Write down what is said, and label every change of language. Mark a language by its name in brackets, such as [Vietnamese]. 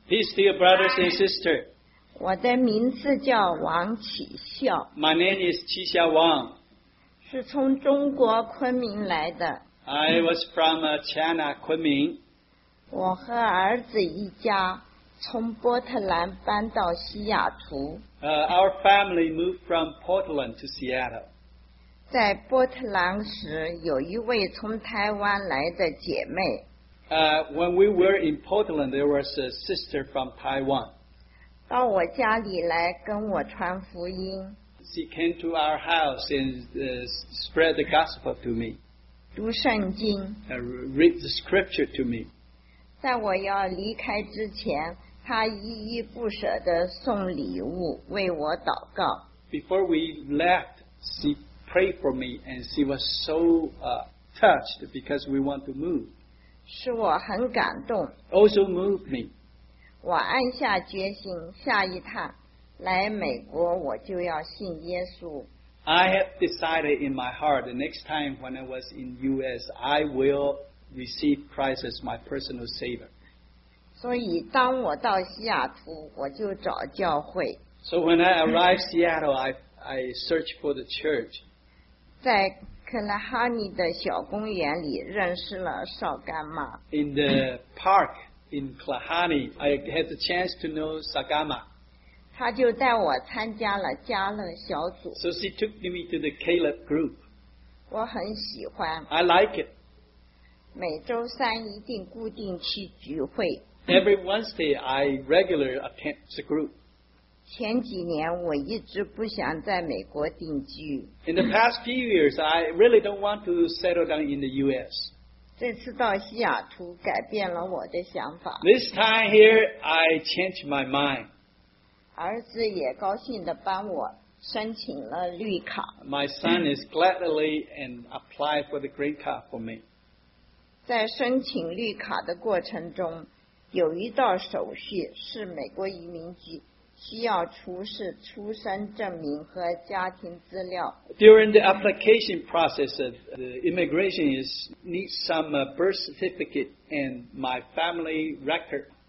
[English] Peace to your brothers and sisters. [Chinese] 我的名字叫王启孝。 [English] My name is 启孝王。 [Chinese] 是从中国昆明来的。 [English] I was from China, 昆明。 [Chinese] 我和儿子一家从波特兰搬到西雅图。 [English] Our family moved from Portland to Seattle. [Chinese] 在波特兰时，有一位从台湾来的姐妹。 [English] When we were in Portland, there was a sister from Taiwan. [Chinese] 到我家里来跟我传福音。 [English] She came to our house and spread the gospel to me. [Chinese] 读圣经。 [English] Read the scripture to me. [Chinese] 在我要离开之前，她依依不舍地送礼物为我祷告。 [English] Before we left, she prayed for me and she was so touched because we want to move. [Chinese] 使我很感动。 [English] Also moved me. [Chinese] 我按下决心，下一趟来美国，我就要信耶稣。 [English] I have decided in my heart, the next time when I was in U.S., I will receive Christ as my personal savior. [Chinese] 所以当我到西雅图，我就找教会。 [English] So when I arrived Seattle, I searched for the church. [Chinese] 在克拉哈尼的小公园里认识了少干妈。 [English] In the park in Klahani, I had the chance to know Sagama. [Chinese] 他就带我参加了加勒小组。 [English] So she took me to the Caleb group. [Chinese] 我很喜欢。 [English] I like it. [Chinese] 每周三一定固定去聚会。 [English] Every Wednesday, I regularly attend the group. [Chinese] 前几年我一直不想在美国定居。 [English] In the past few years, I really don't want to settle down in the U.S. [Chinese] 这次到西雅图改变了我的想法。 [English] This time here, I changed my mind. [Chinese] 儿子也高兴地帮我申请了绿卡。 [English] My son is gladly and applied for the green card for me. [Chinese] 在申请绿卡的过程中，有一道手续是美国移民局需要出示出生证明和家庭资料。 [English] During the application process, the immigration is need some birth certificate and my family record.